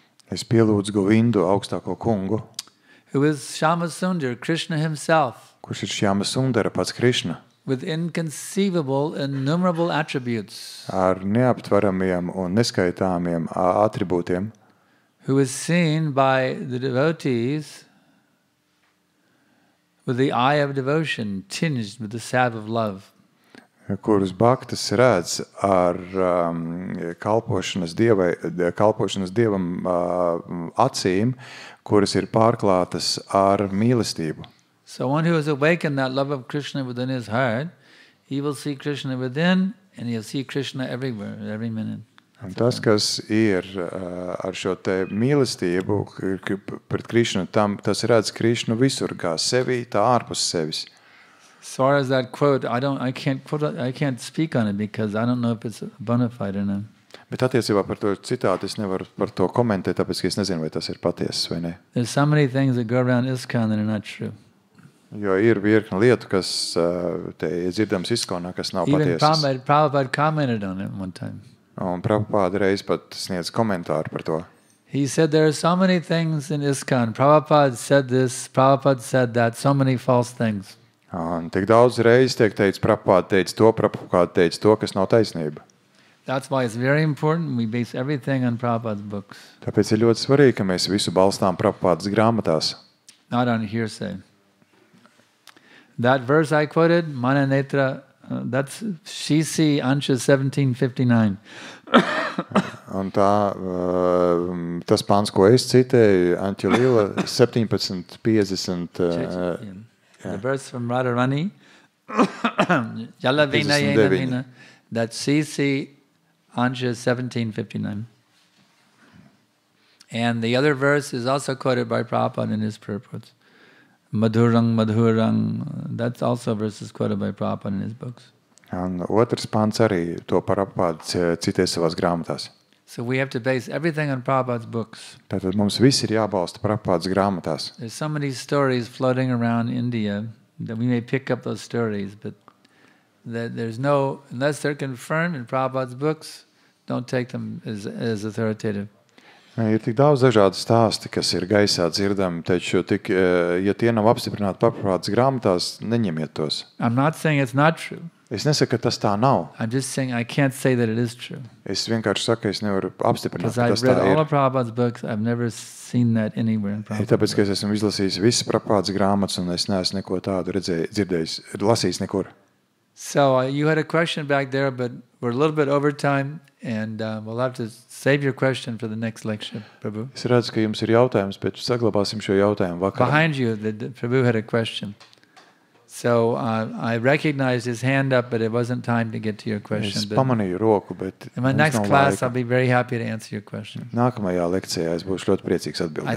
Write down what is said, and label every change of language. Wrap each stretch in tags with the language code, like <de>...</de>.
<lv>Es pielūdzu Govindu, augstāko kungu.</lv> <en>Who is Shyamasundar, Krishna himself.</en> <lv>Kurš ir Shyamasundara, pats Krishna.</lv> <en>With inconceivable, innumerable attributes.</en> <lv>Ar neaptvaramiem un neskaitāmiem atribūtiem.</lv> <en>Who is seen by the devotees with the eye of devotion, tinged with the salve of love.</en> <lv>Kurus baktas redz ar kalpošanas dievam acīm, kuras ir pārklātas ar mīlestību.</lv> <en>So one who has awakened that love of Krishna within his heart, he will see Krishna within, and he'll see Krishna everywhere, every minute.</en> <lv>Un tas, kas ir ar šo te mīlestību pret Krišnu, tam tas redz Krišnu visur, kā sevi, tā ārpus sevis.</lv> <en>As far as that quote, I can't speak on it because I don't know if it's bona fide or not.</en> <lv>Bet attiecībā par to citātu es nevaru par to komentēt, tāpēc ka es nezinu, vai tas ir patiesis vai ne.</lv> <en>There's so many things that go around ISKCON that are not true.</en> <lv>Jo ir virkna lietu, kas te ir dzirdams ISKCONā, kas nav patiesis.</lv> <en>Even Prabhupāda commented on it one time.</en> <lv>Un Prabhupāda reiz pat sniedz komentāru par to.</lv> <en>He said there are so many things in ISKCON. Prabhupāda said this, Prabhupāda said that, so many false things.</en> <lv>Un tik daudz reiz tiek teicis, Prabhupāda teica to, kas nav taisnība.</lv> <en>That's why it's very important we base everything on Prabhupāda's books.</en> <lv>Tāpēc ir ļoti svarīgi, ka mēs visu balstām Prabhupādas grāmatās.</lv> <en>Not on hearsay. That verse I quoted, Mana Netra, that's Shisi Ancha 1759.</en> <lv>Un tā, tas pāns, ko es citēju, Ancha Lila 1750.</lv> <en>The verse from Radharani, Jalavina Yenavina, that's Shisi Ancha 1759. And the other verse is also quoted by Prabhupada in his purports. madhurang, madhurang. That's also verses quoted by Prabhupada in his books.</en> <lv>Un otrs pants arī to Prabhupāds citēja savās grāmatās.</lv> <en>So we have to base everything on Prabhupāda's books.</en> <lv>Tātad mums viss ir jābalsta Prabhupāda's grāmatās.</lv> <en>There's so many stories floating around India that we may pick up those stories, but that there's no, unless they're confirmed in Prabhupāda's books, don't take them as authoritative.</en> <lv>Ir tik daudz dažādu stāstu, kas ir gaisā dzirdami, taču tik, ja tie nav apstiprināti Prabhupāda's grāmatās, neņemiet tos.</lv> <en>I'm not saying it's not true.</en> <lv>Es nesaku, ka tas tā nav.</lv> <en>I'm just saying I can't say that it is true.</en> <lv>Es vienkārši saku, es nevaru apstiprināt, ka tas tā ir.</lv> <en>Because I've read all of Prabhupada's books, I've never seen that anywhere in Prabhupada.</en> <lv>Tāpēc, ka es esmu izlasījis visas Prabhupada's grāmatas, un es neesmu neko tādu dzirdējis, lasījis nekur.</lv> <en>So you had a question back there, but we're a little bit over time, and we'll have to save your question for the next lecture, Prabhu.</en> <lv>Es redzu, ka jums ir jautājums, bet saglabāsim šo jautājumu vakar.</lv> <en>Behind you, Prabhu had a question. So I recognized his hand up, but it wasn't time to get to your question.</en> <lv>Es pamanīju roku, bet</lv> <en>in my next class, I'll be very happy to answer your question.</en> <lv>Nākamajā lekcijā es būšu ļoti priecīgs atbildēt.</lv>